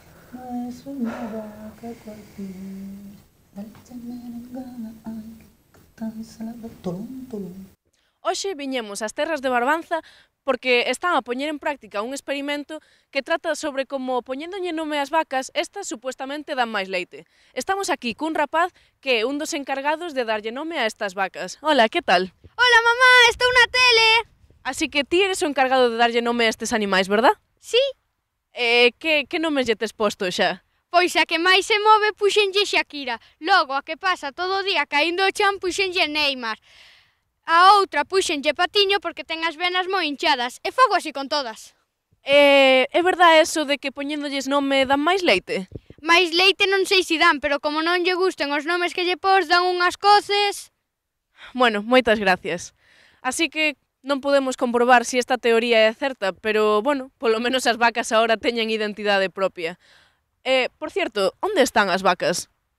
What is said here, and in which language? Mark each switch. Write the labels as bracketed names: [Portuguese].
[Spanish] No es una vaca cualquiera. Leche merengada, ay. [Galician] Hoxe viñemos ás terras de Barbanza porque están a poñer en práctica un experimento que trata sobre como poñéndolle nome ás vacas, estas supuestamente dan máis leite. Estamos aquí cun rapaz que é un dos encargados de darlle nome a estas vacas. Hola, que tal? Hola mamá, está unha tele! Así que ti eres o encargado de darlle nome a estes animais, verdad? Sí. Que nomes lle tes posto xa? Pois a que máis se move puxenlle Shakira, logo a que pasa todo o día caindo o chan puxenlle Neymar. A outra puxenlle Patiño porque ten as venas moi hinchadas e fogo así con todas. É verdade eso de que poñéndolles nome dan máis leite? Máis leite non sei se dan, pero como non lle gusten os nomes que lle pos, dan unhas coces... Bueno, moitas gracias. Así que non podemos comprobar se esta teoría é certa, pero bueno, polo menos as vacas agora teñen identidade propia. [Spanish] Por cierto, [Galician] ¿onde están as vacas?